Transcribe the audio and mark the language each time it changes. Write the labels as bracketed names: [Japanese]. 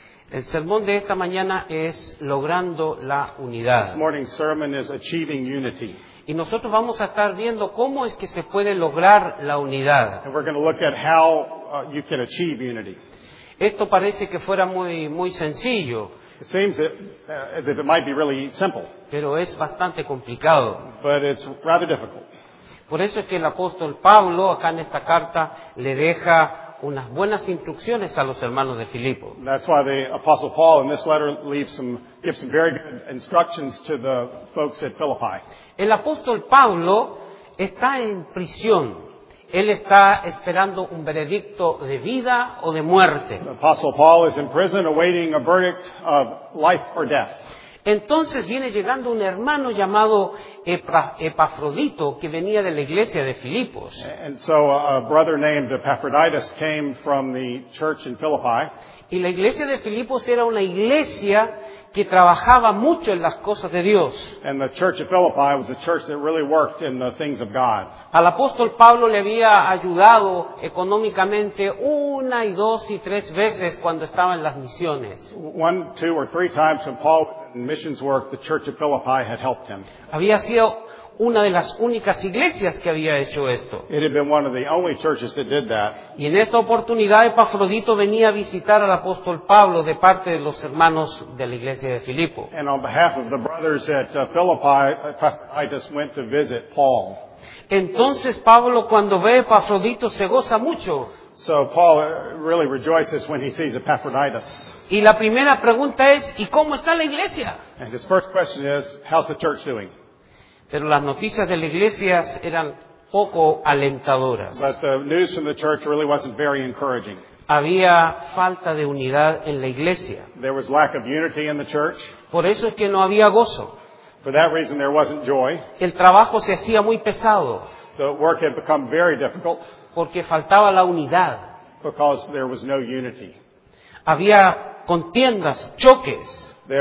[Spanish] El sermón de esta mañana es logrando la unidad. [English] This morning's sermon is achieving unity. [Spanish] Y nosotros vamos a estar viendo cómo es que se puede lograr la unidad. [English] And we're going to look at how you can achieve unity. [Spanish] Esto parece que fuera muy sencillo. [English] It seems as if it might be really simple. [Spanish] Pero es bastante complicado. [English] But it's rather difficult. [Spanish] Por eso es que el apóstol Pablo, acá en esta carta, le deja unas buenas instrucciones a los hermanos de Filipo. [English] That's why the Apostle Paul in this letter gives some very good instructions to the folks at Philippi. [Spanish] El apóstol Pablo está en prisión. Él está esperando un veredicto de vida o de muerte. [English] The Apostle Paul is in prison awaiting a verdict of life or death. [Spanish] Entonces viene llegando un hermano llamado Epafrodito, que venía de la iglesia de Filipos. [English] And so a brother named Epaphroditus came from the church in Philippi. [Spanish] Y la iglesia de Filipos era una iglesia que trabajaba mucho en las cosas de Dios. [English] And the church of Philippi was a church that really worked in the things of God. [Spanish] Al apóstol Pablo le había ayudado económicamente una y dos y tres veces cuando estaba en las misiones. [English] One, two or three times when Paul was in missions work, the church of Philippi had helped him. [Spanish] Había sido una de las únicas iglesias que había hecho esto. [English] It had been one of the only churches that did that. [Spanish] Y en esta oportunidad Epafrodito venía a visitar al apóstol Pablo de parte de los hermanos de la iglesia de Filipo. [English] And on behalf of the brothers at Philippi, Epaphroditus went to visit Paul. [Spanish] Entonces Pablo, cuando ve a Epafrodito, se goza mucho. [English] So Paul really rejoices when he sees Epaphroditus. [Spanish] Y la primera pregunta es, ¿y cómo está la iglesia? [English] And his first question is, how's the church doing? [Spanish] Pero las noticias de la iglesia eran poco alentadoras. [English] But the news from the church really wasn't very encouraging. [Spanish] Había falta de unidad en la iglesia. [English] There was lack of unity in the church. [Spanish] Por eso es que no había gozo. [English] For that reason, there wasn't joy. [Spanish] El trabajo se hacía muy pesado. [English] The work had become very difficult. [Spanish] Porque faltaba la unidad. [English] Because there was no unity. [Spanish] Había contiendas, choques.